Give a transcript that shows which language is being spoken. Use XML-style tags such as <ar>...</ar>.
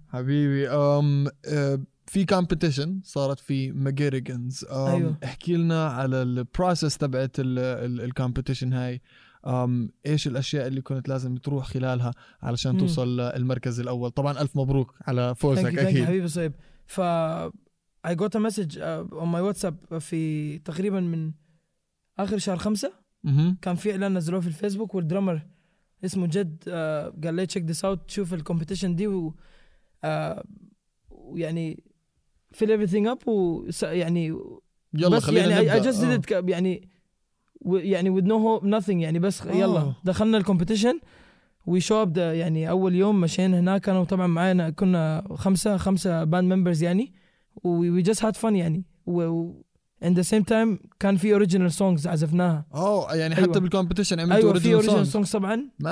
<ar>حبيبي في كومبيتيشن صارت في ماجيريجنز، احكي لنا على البروسيس تبعت الكومبيتيشن هاي، ايش الاشياء اللي كنت لازم تروح خلالها علشان توصل للمركز الاول. طبعا الف مبروك على فوزك. اكيد حبيبي صيب. ف</ar> <en>I got a message on my WhatsApp</en> <ar>في تقريبا من اخر شهر 5. كان في اعلان نزلوه في الفيسبوك، والدرامر اسمه جد قال لي تشيك ذس اوت، شوف الكومبيتيشن دي، ويعني</ar> <en>fill everything up،</en> <ar>ويعني يلا بس خلينا يعني</ar> <en>I just did it يعني with no hope, nothing</en> <ar>يعني بس يلا دخلنا الكومبيتيشن. وي شو اب ذا يعني اول يوم مشينا هناك، انا وطبعا معانا كنا خمسة باند ممبرز يعني، وي جاست هاد فن يعني، وان ذا سيم تايم كان في اوريجينال سونجز عزفناها. يعني حتى أيوة. بالكومبيتيشن عملت أيوة اوريجينال سونج طبعا.</ar>